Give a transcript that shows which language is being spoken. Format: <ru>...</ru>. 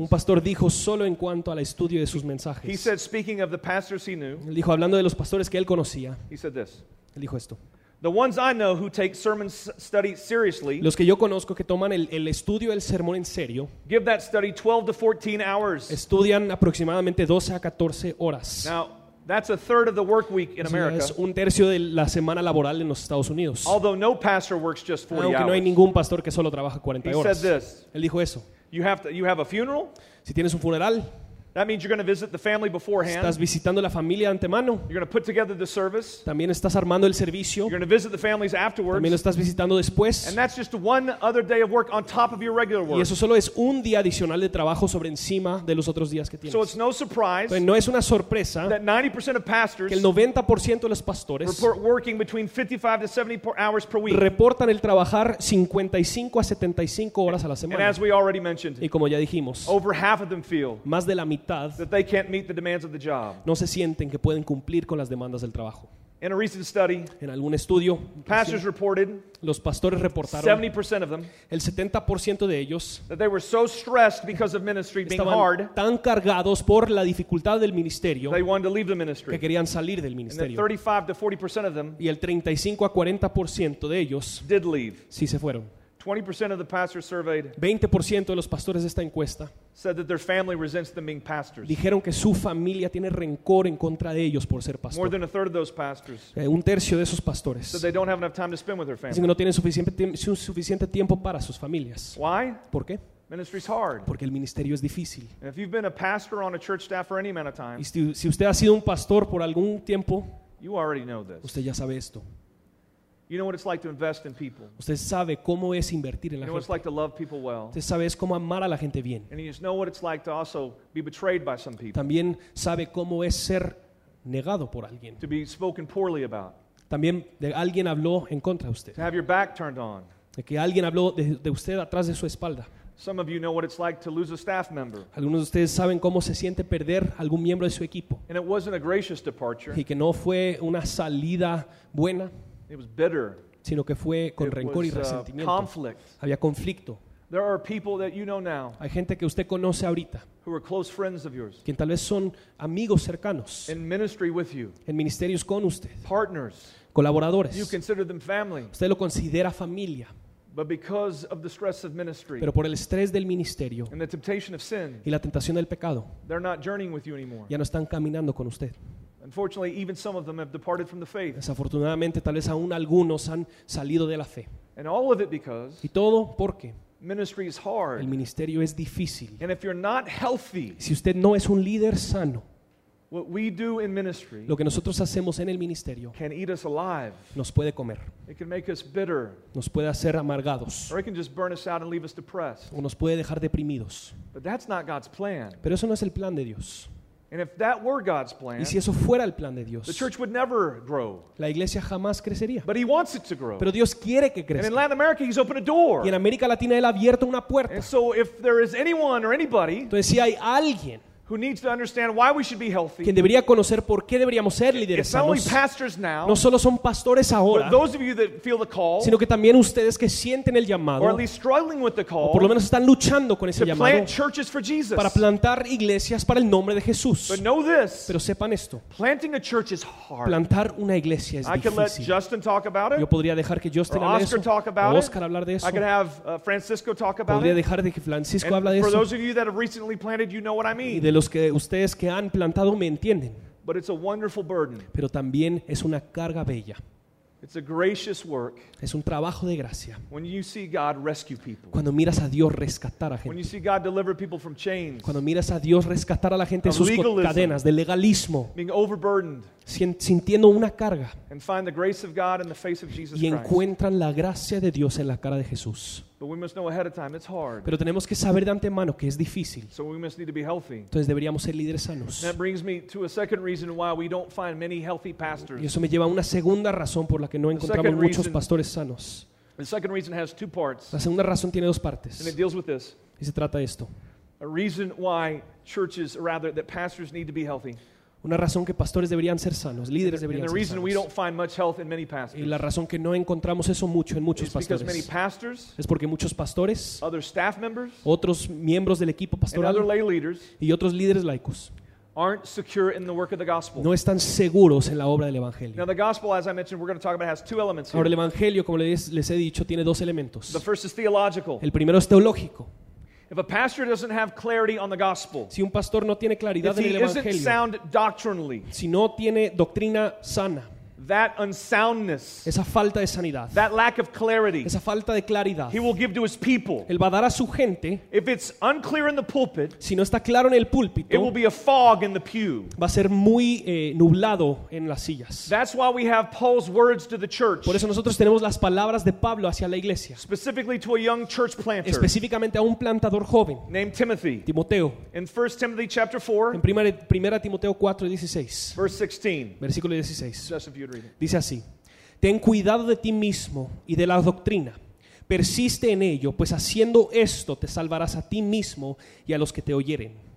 <es>Un pastor dijo solo en cuanto al estudio de sus mensajes.</es> <en>He said, speaking of the pastors he knew.</en> <es>Él dijo hablando de los pastores que él conocía.</es> <en>He said this.</en> <es>Él dijo esto.</es> <en>The ones I know who take sermon study seriously.</en> <es>Los que yo conozco que toman el estudio del sermón en serio.</es> <en>Give that study 12 to 14 hours.</en> <es>Estudian aproximadamente 12 a 14 horas.</es> <en>Now, that's a third of the work week in America.</en> <es>Es un tercio de la semana laboral en los Estados Unidos.</es> <en>Although no pastor works just 40 hours.</en> <es>Aunque no hay ningún pastor que solo trabaja 40 horas.</es> <en>He said this.</en> <es>Él dijo eso.</es> <en>You have a funeral?</en> <es>Si tienes un funeral,</es> <en>that means you're going to visit the family beforehand.</en> <es>Estás visitando la familia antemano.</es> <en>You're going to put together the service.</en> <es>También estás armando el servicio.</es> <en>You're going to visit the families afterwards.</en> <es>También lo estás visitando después.</es> <en>And that's just one other day of work on top of your regular work.</en> <es>Y eso solo es un día adicional de trabajo sobre encima de los otros días que tienes.</es> <en>So it's no surprise.</en> <es>Pero no es una sorpresa.</es> <en>That 90% of pastors.</en> <es>Que el 90% de los pastores.</es> <en>Report working between 55 to 70 hours per week.</en> <es>Reportan el trabajar 55 a 75 horas a la semana.</es> <en>And as we already mentioned.</en> <es>Y como ya dijimos.</es> <en>Over half of them feel.</en> <es>Más de la mitad.</es> <en>That they can't meet the demands of the job.</en> <es>No se sienten que pueden cumplir con las demandas del trabajo.</es> <en>In a recent study,</en> <es>en algún estudio,</es> <en>pastors reported,</en> <es>los pastores reportaron,</es> <en>70% of them,</en> <es>el 70% de ellos,</es> <en>that they were so stressed because of ministry being hard,</en> <es>tan cargados por la dificultad del ministerio,</es> <en>they wanted to leave the ministry,</en> <es>que querían salir del ministerio,</es> <en>and 35 to 40% of them,</en> <es>y el 35 a 40% de ellos,</es> <en>did leave,</en> <es>sí se fueron.</es> <en>20% of the pastors surveyed.</en> <es>20% de los pastores de esta encuesta</es> <en>said that their family resents them being pastors.</en> <es>Dijeron que su familia tiene rencor en contra de ellos por ser pastores.</es> <en>More than a third of those pastors.</en> <es>Un tercio de esos pastores.</es> <en>Said they don't have enough time to spend with their family.</en> <es>Dicen que no tienen suficiente tiempo para sus familias.</es> <en>Why?</en> <es>¿Por qué?</es> <en>Ministry's hard.</en> <es>Porque el ministerio es difícil.</es> <en>And if you've been a pastor on a church staff for any amount of time,</en> <es>y si usted ha sido un pastor por algún tiempo,</es> <en>you already know this.</en> <es>Usted ya sabe esto.</es> <en>You know what it's like to invest in people.</en> <es>Usted sabe cómo es invertir en la gente.</es> <en>You know what it's like to love people well.</en> <es>Usted sabe es cómo amar a la gente bien.</es> <en>And you know what it's like to also be betrayed by some people.</en> <es>También sabe cómo es ser negado por alguien.</es> <en>To be spoken poorly about.</en> <es>También de alguien habló en contra de usted.</es> <en>To have your back turned on.</en> <es>De que alguien habló de usted atrás de su espalda.</es> <en>Some of you know what it's like to lose a staff member.</en> <es>Algunos de ustedes saben cómo se siente perder algún miembro de su equipo.</es> <en>And it wasn't a gracious departure.</en> <es>Y que no fue una salida buena.</es> <en>It was bitter.</en> <es>Sino que fue con rencor y resentimiento.</es> <en>Conflict.</en> <es>Había conflicto.</es> <en>There are people that you know now.</en> <es>Hay gente que usted conoce ahorita.</es> <en>Who are close friends of yours.</en> <es>Quien tal vez son amigos cercanos.</es> <en>In ministry with you.</en> <es>En ministerios con usted.</es> <en>Partners.</en> <es>Colaboradores.</es> <en>You consider them family.</en> <es>Usted lo considera familia.</es> <en>But because of the stress of ministry.</en> <es>Pero por el estrés del ministerio.</es> <en>And the temptation of sin.</en> <es>Y la tentación del pecado.</es> <en>They're not journeying with you anymore.</en> <es>Ya no están caminando con usted.</es> <en>Unfortunately, even some of them have departed from the faith.</en> <es>Desafortunadamente, tal vez aún algunos han salido de la fe.</es> <en>And all of it because.</en> <es>Y todo porque.</es> <en>Ministry is hard.</en> <es>El ministerio es difícil.</es> <en>And if you're not healthy,</en> <es>si usted no es un líder sano,</es> <en>what we do in ministry,</en> <es>lo que nosotros hacemos en el ministerio,</es> <en>can eat us alive.</en> <es>Nos puede comer.</es> <en>It can make us bitter.</en> <es>Nos puede hacer amargados.</es> <en>Or it can just burn us out and leave us depressed.</en> <es>O nos puede dejar deprimidos.</es> <en>But that's not God's plan.</en> <es>Pero eso no es el plan de Dios.</es> <en>And if that were God's plan,</en> <es>y si eso fuera el plan de Dios,</es> <en>the church would never grow.</en> <es>La iglesia jamás crecería.</es> <en>But he wants it to grow.</en> <es>Pero Dios quiere que crezca.</es> <en>And in Latin America, he's opened a door.</en> <es>Y en América Latina, él ha abierto una puerta.</es> <en>And so if there is anyone or anybody,</en> <es>entonces si hay alguien,</es> <en>who needs to understand why we should be healthy,</en> <es>quien debería conocer por qué deberíamos ser líderes,</es> <en>it's not only pastors now,</en> <es>no solo son pastores ahora,</es> <en>but those of you that feel the call,</en> <es>sino que también ustedes que sienten el llamado,</es> <en>or at least struggling with the call,</en> <es>o por lo menos están luchando con ese</es> <en>to</en> <es>llamado,</es> <en>plant churches for Jesus,</en> <es>para plantar iglesias para el nombre de Jesús.</es> <en>But know this,</en> <es>pero sepan esto,</es> <en>planting a church is hard.</en> <es>Plantar una iglesia es</es> <en>I</en> <es>difícil.</es> <en>Can let Justin talk about it,</en> <es>yo podría dejar que Justin hable de eso,</es> <en>talk about</en> <es>o Oscar hablar de eso,</es> <en>I can have, Francisco talk about</en> <es>podría</es> <en>it.</en> <es>Dejar de que Francisco</es> <en>and</en> <es>hable de</es> <en>for</en> <es>eso.</es> <en>Those of you that have recently planted, you know what I mean.</en> <es>De los que ustedes que han plantado me entienden.</es> <en>But it's a wonderful burden.</en> <es>Pero también es una carga bella.</es> <en>It's a gracious work.</en> <es>Es un trabajo de gracia.</es> <en>When you see God rescue people.</en> <es>Cuando miras a Dios rescatar a gente.</es> <en>When you see God deliver people from chains.</en> <es>Cuando miras a Dios rescatar a la gente de sus cadenas de legalismo.</es> <en>Being overburdened.</en> <es>Sintiendo una carga.</es> <en>And find the grace of God in the face of Jesus</en> <es>Christ. Y encuentran la gracia de Dios en la cara de Jesús.</es> <en>But we must know ahead of time it's hard.</en> <es>Pero tenemos que saber de antemano que es difícil.</es> <en>So we must need to be healthy.</en> <es>Entonces deberíamos ser líderes sanos.</es> <en>That brings me to a second reason why we don't find many healthy pastors.</en> <es>Y eso me lleva a una segunda razón por la que no encontramos muchos pastores sanos.</es> <en>The second reason has two parts.</en> <es>La segunda razón tiene dos partes.</es> <en>And it deals with this.</en> <es>Y se trata de esto.</es> <en>A reason why churches rather that pastors need to be healthy.</en> <es>Una razón que pastores deberían ser sanos, líderes deberían ser sanos.</es> <en>We don't find much health in many pastors.</en> <es>Y la razón que no encontramos eso mucho en muchos pastores</es> <en>many pastors,</en> <es>es porque muchos pastores,</es> <en>other staff members,</en> <es>otros miembros del equipo pastoral</es> <en>and other lay leaders,</en> <es>y otros líderes laicos</es> <en>aren't secure in the work of the gospel.</en> <es>No están seguros en la obra del evangelio.</es> <en>Now the gospel, as I mentioned, we're going to talk about, has two elements.</en> <es>Ahora el evangelio, como les he dicho, tiene dos elementos.</es> <en>The first is theological.</en> <es>El primero es teológico.</es> <en>If a pastor doesn't have clarity on the gospel,</en> <es>si un pastor no tiene claridad en el evangelio,</es> <en>if he isn't sound doctrinally,</en> <es>si no tiene doctrina sana,</es> <en>that unsoundness,</en> <es>esa falta de sanidad,</es> <en>that lack of clarity,</en> <es>esa falta de claridad,</es> <en>he will give to his people,</en> <es>él va a dar a su gente,</es> <en>if it's unclear in the pulpit,</en> <es>si no está claro en el púlpito,</es> <en>it will be a fog in the pew,</en> <es>va a ser muy nublado en las sillas.</es> <en>That's why we have Paul's words to the church,</en> <es>por eso nosotros tenemos las palabras de Pablo hacia la iglesia,</es> <en>specifically to a young church planter,</en> <es>específicamente a un plantador joven,</es> <en>named Timothy,</en> <es>Timoteo,</es> <en>in 1 Timothy chapter 4,</en> <es>en primera Timoteo 4:16,</es> <en>verse 16,</en> <es>versículo 16.</es> <en>Just a few.</en> <es>Dice así: ten cuidado de ti mismo y de la doctrina, persiste en ello, pues haciendo esto te salvarás a ti mismo y a los que te oyeren.</es>